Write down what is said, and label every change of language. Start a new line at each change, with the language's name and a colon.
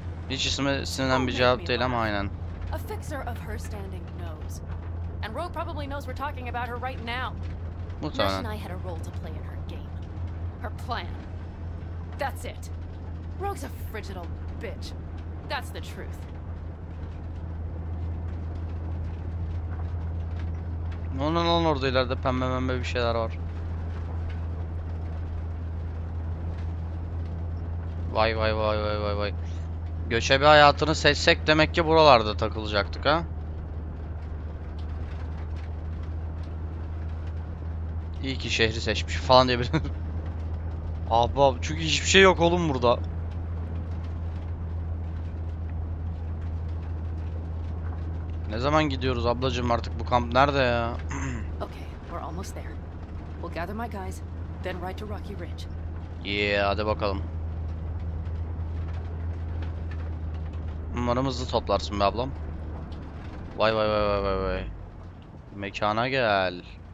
Turkish: Hiç isme sinirlen bir cevap değil ama aynen.
English: A fixer of her standing knows. And Rogue probably knows we're talking about her right now.
Turkish: Mutlaka.
English: Nash and I had a role to play in her game. Her plan. That's it. Rogue's a frigid old bitch. That's the truth.
Turkish: Onun orada ileride pembe pembe bir şeyler var. Vay. Göçebe hayatını seçsek demek ki buralarda takılacaktık ha. İyi ki şehri seçmiş falan diyebilirim. Ahbap çünkü hiçbir şey yok oğlum burada. Ne zaman gidiyoruz ablacığım artık bu kamp nerede ya?
English: Okay, we're almost there. We'll gather my guys, then ride to Rocky Ridge.
Turkish: Yeah, hadi bakalım. Umarım hızlı toplarsın be ablam. Vay. Mekana gel.